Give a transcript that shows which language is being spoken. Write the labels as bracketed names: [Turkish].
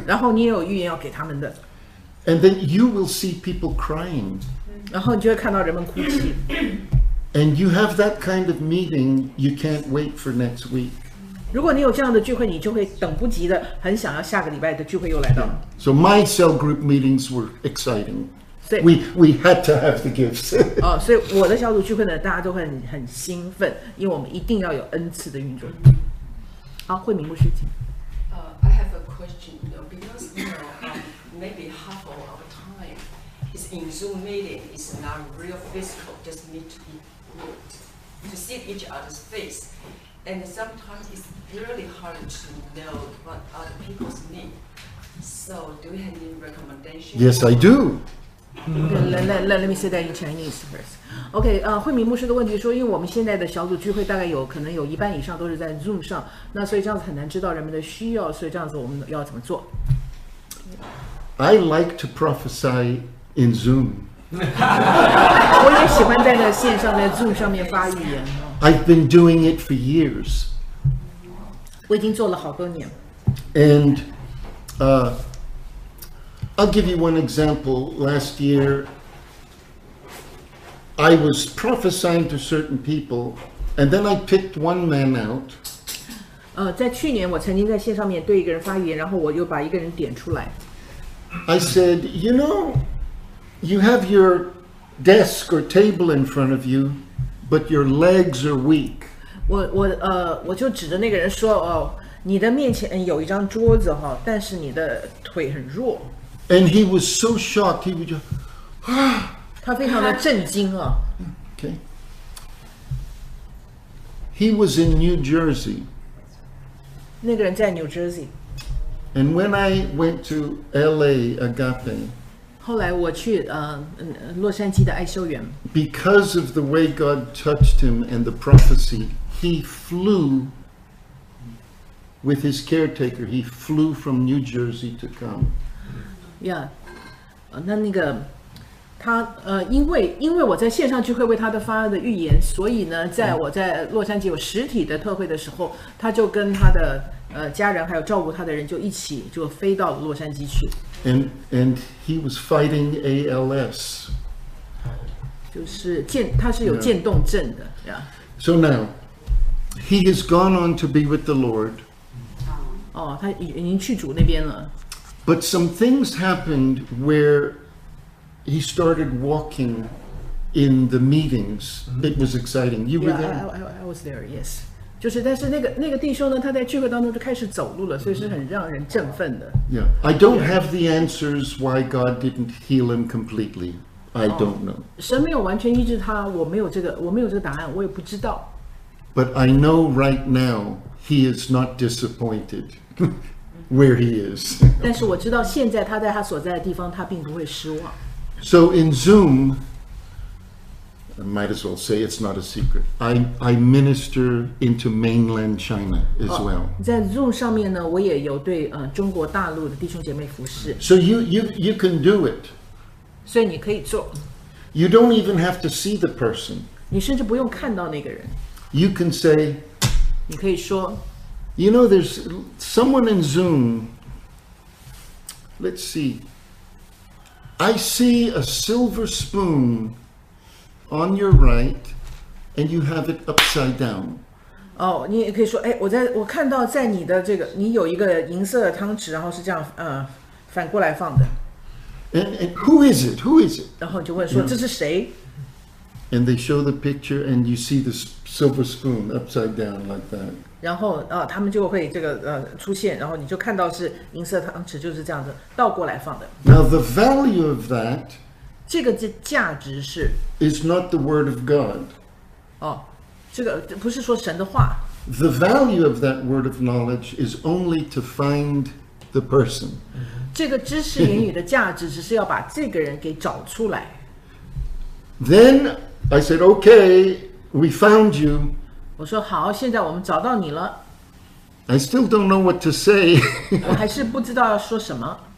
[Chinese] 然后你也有预言要给他们的。 [English] And then you will see people crying. [Chinese] 然后你就会看到人们哭泣。 [English] And you have that kind of meeting, you can't wait for next week. [Chinese] 如果你有这样的聚会，你就会等不及的，很想要下个礼拜的聚会又来到。 [English] Yeah. So my cell group meetings were exciting. We had to have the gifts. [Chinese] 哦，所以我的小组聚会呢，大家都很兴奋，因为我们一定要有恩赐的运作。好，慧敏牧师，请。 [English] I have a question, because you know, maybe half of our time is in Zoom meeting, is not real physical, just need to be good, to see each other's face, and sometimes it's really hard to know what other people need. So, do you have any recommendations? Yes, I do. Let me say that in Chinese first. [Chinese] Okay, 慧敏牧师的问题说，因为我们现在的小组聚会大概有可能有一半以上都是在 Zoom 上，那所以这样子很难知道人们的需要，所以这样子我们要怎么做？ [English] I like to prophesy in Zoom. [Chinese] 我也喜欢在那线上在 Zoom 上面发预言。 [English] I've been doing it for years. [Chinese] 我已经做了好多年。 [English] And, I'll give you one example. Last year, I was prophesying to certain people, and then I picked one man out. [Chinese] 在去年我曾经在线上面对一个人发语言，然后我又把一个人点出来。 [English] I said, you know, you have your desk or table in front of you, but your legs are weak. [Chinese] 我就指着那个人说，哦，你的面前有一张桌子哈，但是你的腿很弱。 [English] And he was so shocked, he would just, ah! [Chinese] 他非常的震惊啊。 [English] Okay. He was in New Jersey. [Chinese] 那个人在 New Jersey. [English] And when I went to LA Agape, [Chinese] 后来我去洛杉矶的爱修园。 [English] Because of the way God touched him and the prophecy, he flew with his caretaker, he flew from New Jersey to come. [Chinese] Yeah, 那个他因为我在线上聚会为他的发的预言，所以呢，在我在洛杉矶有实体的特会的时候，他就跟他的家人还有照顾他的人就一起就飞到洛杉矶去。 [English] And he was fighting ALS. [Chinese] 就是他是有渐冻症的 ，Yeah. [English] So now he has gone on to be with the Lord. [Chinese] 哦，他已经去主那边了。 [English] But some things happened where he started walking in the meetings. It was exciting. You were there? Yeah, I was there, yes. [Chinese] 就是但是那个弟兄呢，他在聚会当中就开始走路了，所以是很让人振奋的。 [English] Yeah, I don't have the answers why God didn't heal him completely. I don't know. [Chinese] 神没有完全医治他，我没有这个答案，我也不知道。 [English] But I know right now he is not disappointed. Where he is. [Chinese] 但是我知道现在他在他所在的地方，他并不会失望。 [English] So in Zoom, I might as well say it's not a secret. I minister into mainland China as well. [Chinese] 在 Zoom 上面呢，我也有对中国大陆的弟兄姐妹服侍。 [English] So you can do it. [Chinese] 所以你可以做。 [English] You don't even have to see the person. [Chinese] 你甚至不用看到那个人。 [English] You can say. [Chinese] 你可以说。 [English] You know, there's someone in Zoom. Let's see. I see a silver spoon on your right, and you have it upside down. [Chinese] Oh, 你也可以说，哎，我看到在你的这个，你有一个银色的汤匙，然后是这样，反过来放的。 [English] And who is it? Who is it? [Chinese] 然后就问说，这是谁？ [English] And they show the picture, and you see the silver spoon upside down like that. [Chinese] 然后他们就会这个出现，然后你就看到是银色汤匙就是这样子倒过来放的。 [English] Now the value of that, [Chinese] 这个价值是 [English] is not the word of God. [Chinese] 哦，这个不是说神的话。 [English] The value of that word of knowledge is only to find the person. [Chinese] 这个知识言语的价值只是要把这个人给找出来。 [English] Then I said, "Okay, we found you." [Chinese] 我说好，现在我们找到你了。 [English] I still don't know what to say. [Chinese] 我还是不知道要说什么。